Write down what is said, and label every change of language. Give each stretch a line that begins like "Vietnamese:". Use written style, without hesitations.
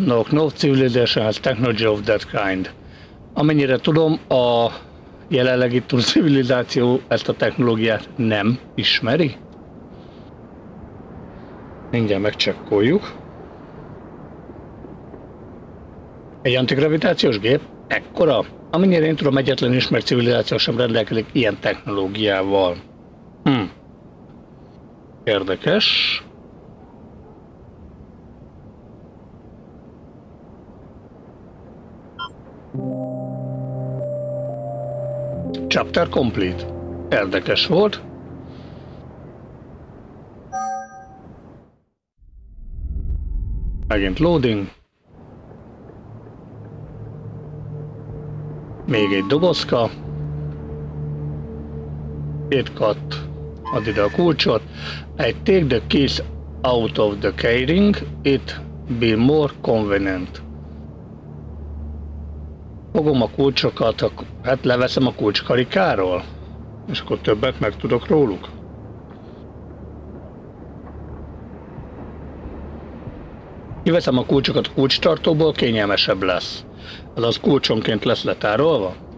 English: No civilization has technology of that kind.
Hungarian: Amennyire tudom, a jelenlegi túl civilizáció ezt a technológiát nem ismeri. Mindjárt megcsekkoljuk. Egy antigravitációs gép? Ekkora? Amennyire én tudom, egyetlen ismert civilizáció sem rendelkezik ilyen technológiával. Érdekes.
English: Chapter complete.
Hungarian: Érdekes volt. Megint loading. Még egy dobozka. Két kat. Add ide a kulcsot.
English: I take the keys out of the keyring. It be more convenient.
Hungarian: Fogom a kulcsokat, hát leveszem a kulcskarikáról. És akkor többet megtudok róluk. Kiveszem a kulcsokat a kulcstartóból, kényelmesebb lesz. Ez az kulcsonként lesz letárolva.